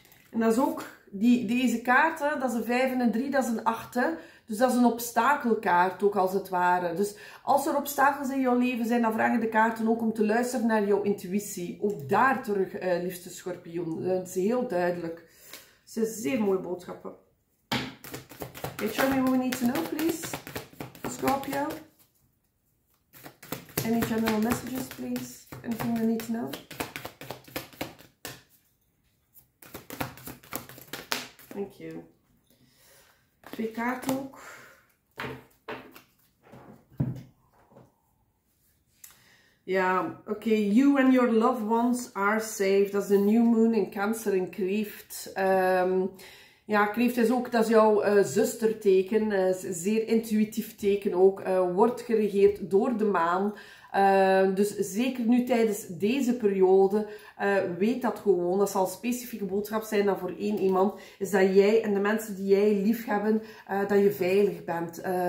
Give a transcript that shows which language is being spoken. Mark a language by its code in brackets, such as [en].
[nl] En dat is ook, deze kaart, hè? Dat is een 5 en een 3, dat is een 8, hè. Dus dat is een obstakelkaart ook, als het ware. Dus als er obstakels in jouw leven zijn, dan vragen de kaarten ook om te luisteren naar jouw intuïtie. Ook daar terug, liefste schorpioen. Dat is heel duidelijk. Ze zijn zeer mooie boodschappen. [en] Can you show me what we need to know, please? Scorpio. Any general messages, please? Anything we need to know? Thank you. [nl] Twee kaarten ook. [en] Ja, oké. You and your loved ones are safe. [nl] Dat is de [en] new moon in Cancer [nl] in Kreeft. Ja, Kreeft is ook, dat is jouw zusterteken. Zeer intuïtief teken ook. Wordt geregeerd door de maan. Dus zeker nu tijdens deze periode, weet dat gewoon. Dat zal een specifieke boodschap zijn dan voor één iemand. Is dat jij en de mensen die jij lief hebben, dat je veilig bent.